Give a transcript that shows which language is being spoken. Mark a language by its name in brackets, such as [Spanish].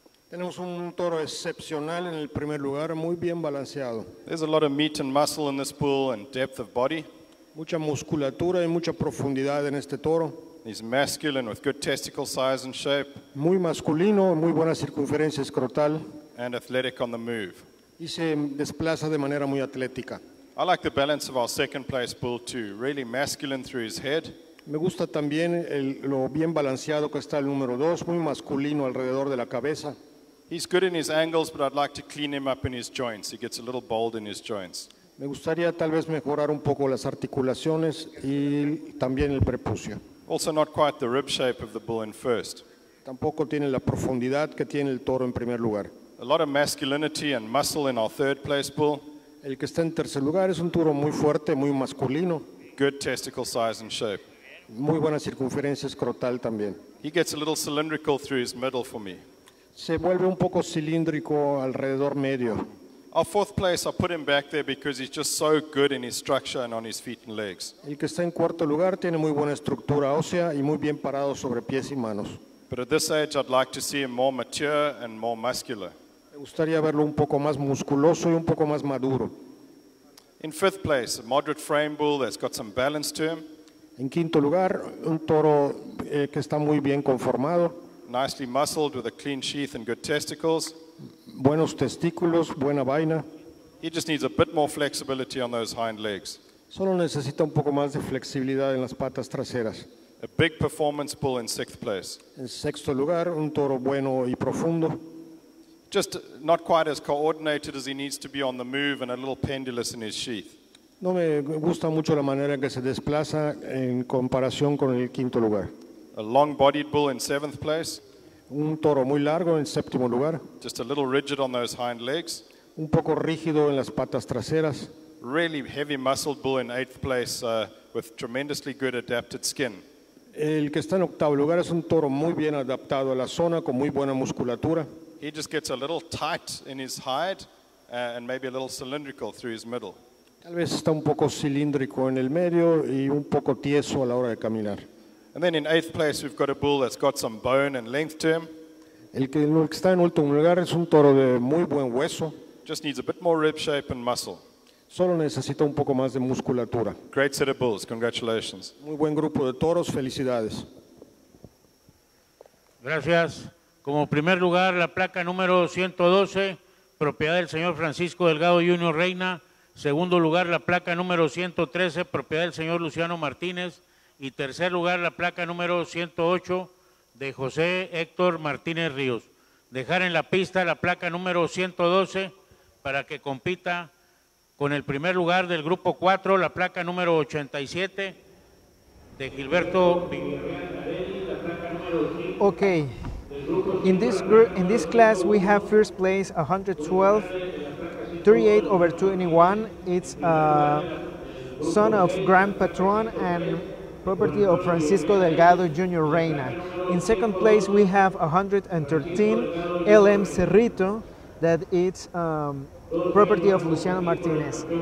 [Spanish] Tenemos un toro excepcional en el primer lugar, muy bien balanceado. [English] There's a lot of meat and muscle in this bull and depth of body. [Spanish] Mucha musculatura y mucha profundidad en este toro. [English] He's masculine with good testicle size and shape. [Spanish] Muy masculino, muy buena circunferencia escrotal. [English] And athletic on the move. [Spanish] Y se desplaza de manera muy atlética. [English] I like the balance of our second place bull too. Really masculine through his head. [Spanish] Me gusta también lo bien balanceado que está el número 2, muy masculino alrededor de la cabeza. [English] He's good in his angles, but I'd like to clean him up in his joints. He gets a little bold in his joints. [Spanish] Me gustaría tal vez mejorar un poco las articulaciones y también el prepucio. [English] Also not quite the rib shape of the bull in first. [Spanish] Tampoco tiene la profundidad que tiene el toro en primer lugar. [English] A lot of masculinity and muscle in our third place bull. [Spanish] El que está en tercer lugar es un toro muy fuerte, muy masculino. [English] Good testicle size and shape. [Spanish] Muy buena circunferencia escrotal también. [English] He gets a little cylindrical through his middle for me. [Spanish] Se vuelve un poco cilíndrico alrededor medio. [English] Our fourth place, I put him back there because he's just so good in his structure and on his feet and legs. [Spanish] El que está en cuarto lugar tiene muy buena estructura ósea y muy bien parado sobre pies y manos. [English] But at this age, I'd like to see him more mature and more muscular. [Spanish] Me gustaría verlo un poco más musculoso y un poco más maduro. [English] In fifth place, a moderate frame bull that's got some balance to him. [Spanish] En quinto lugar, un toro que está muy bien conformado. [English] Nicely muscled with a clean sheath and good testicles. [Spanish] Buenos testículos, buena vaina. [English] He just needs a bit more flexibility on those hind legs. [Spanish] Solo necesita un poco más de flexibilidad en las patas traseras. [English] A big performance bull in sixth place. [Spanish] En sexto lugar, un toro bueno y profundo. [English] Just not quite as coordinated as he needs to be on the move and a little pendulous in his sheath. [Spanish] No me gusta mucho la manera en que se desplaza en comparación con el quinto lugar. [English] A long-bodied bull in seventh place. [Spanish] Un toro muy largo en séptimo lugar. [English] Just a little rigid on those hind legs. [Spanish] Un poco rígido en las patas traseras. [English] Really heavy-muscled bull in eighth place with tremendously good adapted skin. [Spanish] El que está en octavo lugar es un toro muy bien adaptado a la zona con muy buena musculatura. [English] He just gets a little tight in his hide and maybe a little cylindrical through his middle. [Spanish] Tal vez está un poco cilíndrico en el medio y un poco tieso a la hora de caminar. [English] And then in eighth place we've got a bull that's got some bone and length to him. [Spanish] El que está en último lugar es un toro de muy buen hueso. [English] Just needs a bit more rib shape and muscle. [Spanish] Solo necesita un poco más de musculatura. [English] Great set of bulls, congratulations. [Spanish] Muy buen grupo de toros, felicidades. Gracias. Como primer lugar, la placa número 112, propiedad del señor Francisco Delgado Junior Reina. Segundo lugar, la placa número 113, propiedad del señor Luciano Martínez. Y tercer lugar, la placa número 108, de José Héctor Martínez Ríos. Dejar en la pista la placa número 112 para que compita con el primer lugar del grupo 4, la placa número 87, de Gilberto. [English] Okay. In this class, we have first place 112, 38 over 21. It's a son of Grand Patron and property of Francisco Delgado Jr. Reina. In second place, we have 113, LM Cerrito, that it's property of Luciano Martinez.